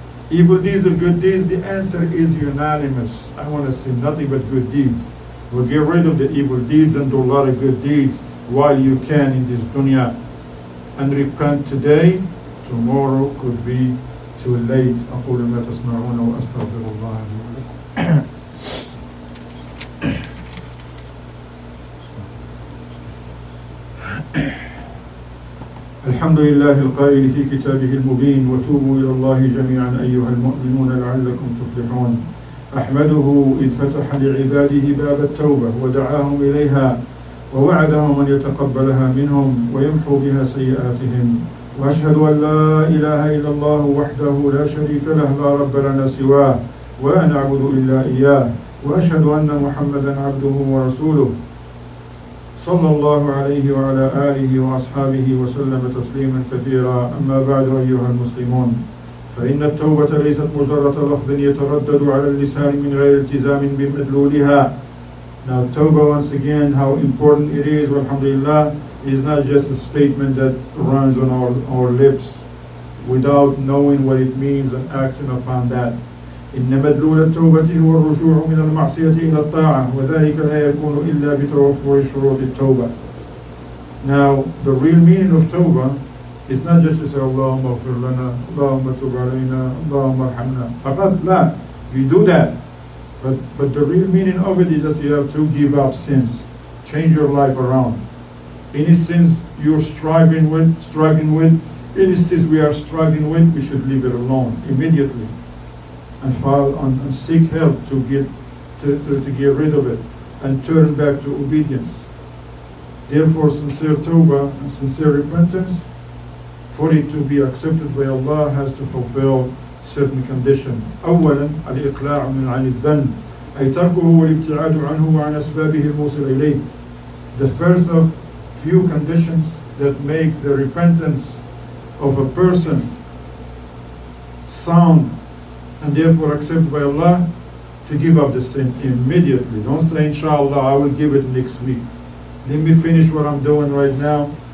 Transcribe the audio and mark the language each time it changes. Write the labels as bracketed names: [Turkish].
[English] Evil deeds or good deeds? The answer is unanimous. I want to see nothing but good deeds. We'll get rid of the evil deeds and do a lot of good deeds while you can in this dunya. And repent today, tomorrow could be too late. [Arabic] أقول ما تسمعون وأستغفر الله لي ولكم. الحمد لله القائل في كتابه المبين وتوبوا إلى الله جميعا أيها المؤمنون لعلكم تفلحون. أحمده إذ فتح لعباده باب التوبة ودعاهم إليها ووعدهم أن يتقبلها منهم ويمحو بها سيئاتهم. وأشهد أن لا إله إلا الله وحده لا شريك له لا رب لنا سواه ولا نعبد إلا إياه. وأشهد أن محمدا عبده ورسوله صلى الله عليه وعلى آله وأصحابه وسلم تسليما كثيرا. أما بعد أيها المسلمون، فإن التوبة ليست مجرد لفظ يتردد على اللسان من غير التزام بمدلولها. [English] Now Tawbah, once again, how important it is, walhamdulillah, is not just a statement that runs on our lips without knowing what it means and acting upon that. [Arabic] إن مدلول التوبة هو الرجوع من المعصية إلى الطاعة وذلك لا يكون إلا بتوفر شروط التوبة. [English] Now the real meaning of Tawbah is not just to say [Arabic] اللهم اغفر لنا اللهم تب علينا اللهم ارحمنا. فقط لا, [English] we do that, but the real meaning of it is that you have to give up sins, change your life around. Any sins you're struggling with, any sins we are struggling with, we should leave it alone immediately and file on and seek help to get rid of it and turn back to obedience. Therefore, sincere tawbah and sincere repentance, for it to be accepted by Allah, has to fulfill certain conditions. [Arabic] أولا الإقلاع من عن الذنب أي تركه والابتعاد عنه وعن أسبابه الموصل إليه. [English] The first of few conditions that make the repentance of a person sound and therefore accepted by Allah, to give up the sin immediately. Don't say, inshallah, I will give it next week. Let me finish what I'm doing right now.